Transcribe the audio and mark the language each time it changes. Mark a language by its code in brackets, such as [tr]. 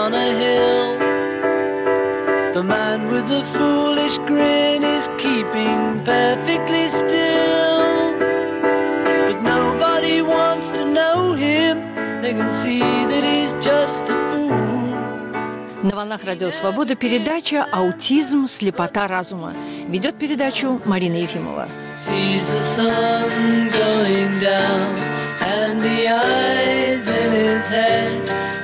[en] The man with the foolish grin is keeping perfectly still. But nobody wants to know him. They can see that he's just a fool. [ru] На волнах Радио Свобода передача «Аутизм. Слепота разума». Ведет передачу Марина Ефимова. [en] Sees the sun going down and the eyes in his head.